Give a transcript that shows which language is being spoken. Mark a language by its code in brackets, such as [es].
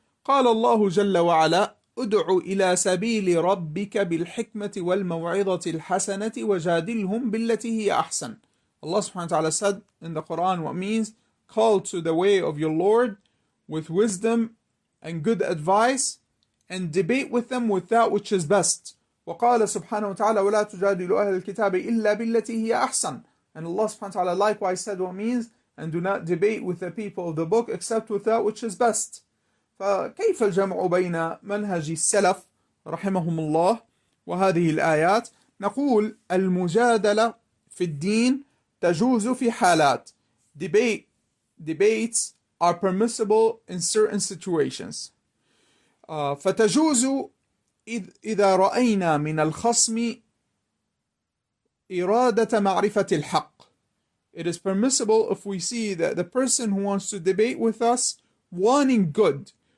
[ar] قَالَ اللَّهُ جَلَّ وَعَلَىٰ أُدْعُ إِلَىٰ سَبِيلِ رَبِّكَ بِالْحِكْمَةِ وَالْمَوْعِظَةِ الْحَسَنَةِ وَجَادِلْهُمْ بِالَّتِي هِيَ أَحْسَنُ. [en] Allah subhanahu wa ta'ala said in the Quran what means call to the way of your Lord with wisdom and good advice and debate with them with that which is best. [ar] وقال سبحانه وتعالى ولا تجادلوا أهل الكتاب إلا بالتي هي أحسن. [en] And Allah subhanahu wa ta'ala likewise said what means and do not debate with the people of the book except with that which is best. [ar] فكيف الجمع بين منهج السلف رحمهم الله وهذه الآيات؟ نقول المجادلة في الدين تجوز في حالات. [en] Debates are permissible in certain situations. [ar] فتجوز إذا رأينا من الخصم إرادة معرفة الحق. [en] It is permissible if we see that the person who wants to debate with us wanting good.